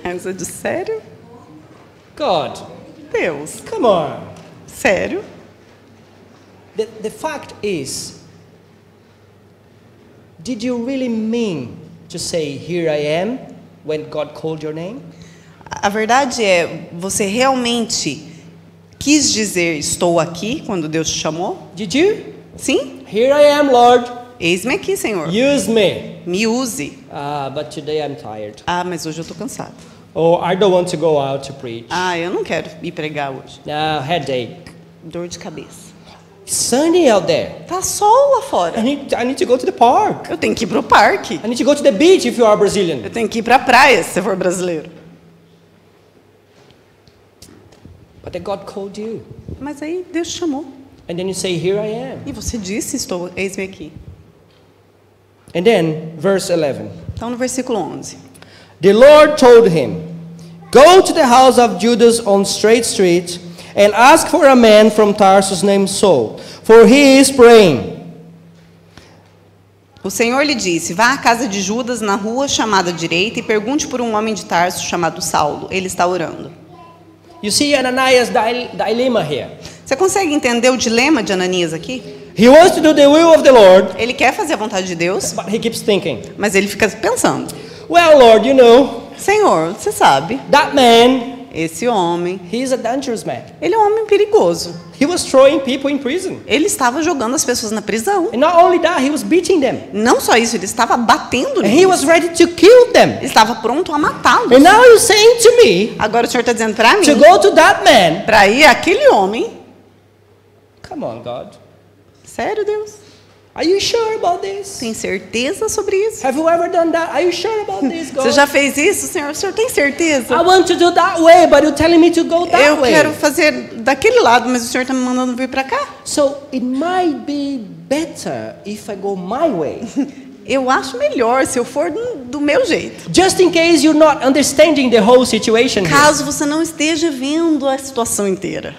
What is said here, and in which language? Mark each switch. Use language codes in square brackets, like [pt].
[pt] Aí você diz, sério? [en] God. [pt] Deus. [en] Come on. [pt] Sério? [en] The fact is, did you really mean to say, here I am, when God called your name? [pt] A verdade é, você realmente quis dizer, estou aqui, quando Deus te chamou? [en] Did you? [pt] Sim. [en] Here I am, Lord. [pt] Eis-me aqui, Senhor. [en] Use me. [pt] Me use. [en] But today I'm tired. [pt] Ah, mas hoje eu estou cansado. [en] Oh, I don't want to go out to preach. [pt] Ah, eu não quero ir pregar hoje. [en] Headache. [pt] Dor de cabeça. [en] Sunny out there. [pt] Tá sol lá fora. [en] I need to go to the park. [pt] Eu tenho que ir pro parque. [en] I need to go to the beach if you are Brazilian. [pt] Eu tenho que ir pra praia se for brasileiro. [en] But God called you. [pt] Mas aí Deus te chamou. [en] And then you say, here I am. [pt] E você disse, estou, eis-me aqui. [en] And then, verse 11. [pt] Então, no versículo 11. [en] The Lord told him, go to the house of Judas on Straight Street and ask for a man from Tarsus named Saul, for he is praying. [pt] O Senhor lhe disse: vá à casa de Judas, na rua chamada Direita, e pergunte por um homem de Tarso chamado Saulo. Ele está orando. [en] You see Ananias' dilemma here. [pt] Você consegue entender o dilema de Ananias aqui? [en] He wants to do the will of the Lord. [pt] Ele quer fazer a vontade de Deus. [en] But he keeps thinking. [pt] Mas ele fica pensando. [en] Well, Lord, you know. [pt] Senhor, você sabe. [en] That man. [pt] Esse homem. [en] He is a dangerous man. [pt] Ele é um homem perigoso. [en] He was throwing people in prison. [pt] Ele estava jogando as pessoas na prisão. [en] And not only that, he was beating them. [pt] Não só isso, ele estava batendo neles. [en] And he was ready to kill them. [pt] Ele estava pronto a matá-los. [en] And now you're saying to me. [pt] Agora o senhor está dizendo para mim. [en] To go to that man. [pt] Para ir aquele homem. [en] Come on, God. [pt] Sério, Deus? [en] Are you sure about this? [pt] Tem certeza sobre isso? [en] Have you ever done that? Are you sure about this, God? [pt] Você já fez isso, Senhor? O Senhor tem certeza? [en] I want to do that way, but you're telling me to go that [pt] Eu [en] way. [pt] Quero fazer daquele lado, mas o Senhor está me mandando vir para cá. [en] So it might be better if I go my way. [pt] Eu acho melhor se eu for do meu jeito. [en] Just in case you're not understanding the whole situation. [pt] Caso você não esteja vendo a situação inteira.